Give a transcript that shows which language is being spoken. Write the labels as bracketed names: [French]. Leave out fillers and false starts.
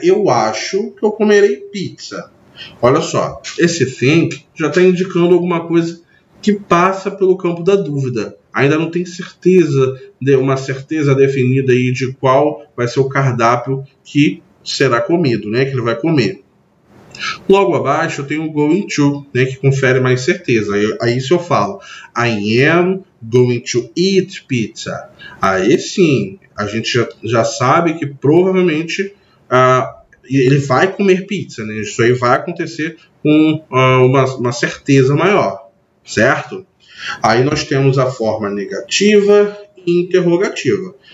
[Portuguese] Eu acho que eu comerei pizza. Olha só, esse think já está indicando alguma coisa que passa pelo campo da dúvida. Ainda não tem certeza, uma certeza definida aí de qual vai ser o cardápio que será comido, né? Que ele vai comer. Logo abaixo eu tenho o going to, né? Que confere mais certeza. Aí se eu falo, [English] I am going to eat pizza. [Portuguese] Aí sim. A gente já sabe que provavelmente ele vai comer pizza, né? Isso aí vai acontecer com uma certeza maior, certo? Aí nós temos a forma negativa e interrogativa.